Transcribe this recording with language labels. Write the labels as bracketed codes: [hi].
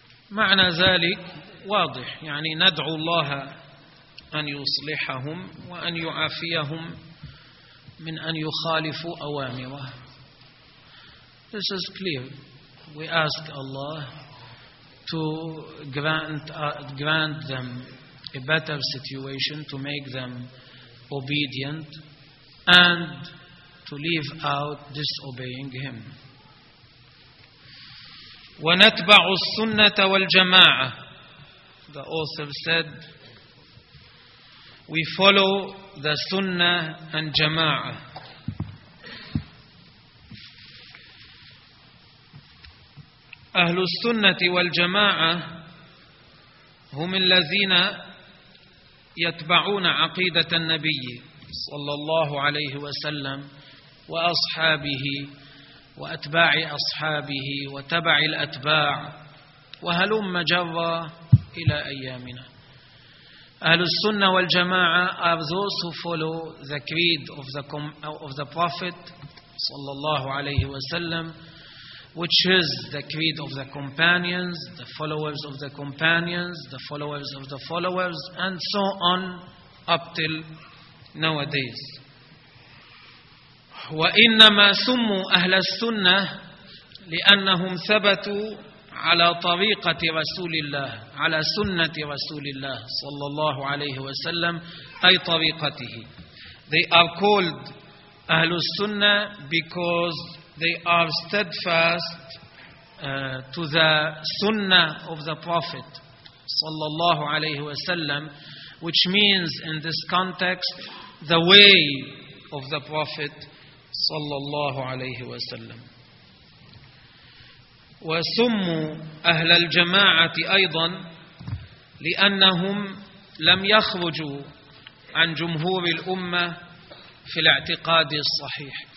[ar] معنى ذلك واضح، يعني ندعو الله أن يصلحهم وأن يعافيهم من أن يخالفوا أوامره. [en] This is clear. We ask Allah to grant them a better situation, to make them obedient, and to leave out disobeying him. [ar] ونتبع السنة والجماعة. [en] The author said, we follow the sunnah and jama'ah. [ar] أهل السنة والجماعة هم الذين يتبعون عقيدة النبي صلى الله عليه وسلم وأصحابه وأتباع أصحابه وتبع الأتباع وهلم جرى إلى أيامنا. [en] أهل السنة والجماعة are those who follow the creed of the Prophet [ar] صلى الله عليه وسلم, [en] which is the creed of the companions, the followers of the companions, the followers of the followers, and so on up till nowadays. [ar] وإنما سموا أهل السنة لأنهم ثبتوا على طريقة رسول الله, على سنة رسول الله صلى الله عليه وسلم, أي طريقته. [en] They are called أهل السنة because they are steadfast to the sunnah of the Prophet [ar] صلى الله عليه وسلم, [en] which means in this context the way of the Prophet [ar] صلى الله عليه وسلم. وسموا أهل الجماعة أيضا لأنهم لم يخرجوا عن جمهور الأمة في الاعتقاد الصحيح.